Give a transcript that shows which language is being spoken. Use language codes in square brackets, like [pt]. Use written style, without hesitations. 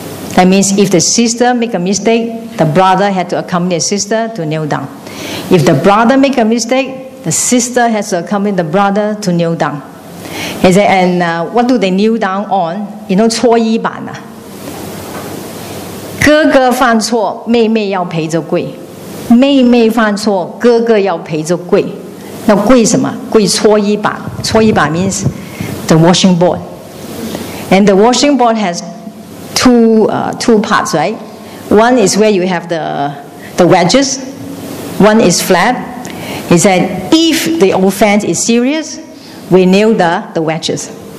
[en] That means if the sister make a mistake, the brother had to accompany the sister to kneel down. If the brother make a mistake, the sister has to accompany the brother to kneel down. He said, and what do they kneel down on? You know, 搓衣板啊. [zh] 哥哥犯错，妹妹要陪着跪。妹妹犯错，哥哥要陪着跪。那跪什么？跪搓衣板。 [en] 搓衣板 means the washing board. And the washing board has two parts, right? One is where you have the wedges. One is flat. He said, if the offense is serious, we nail the wedges.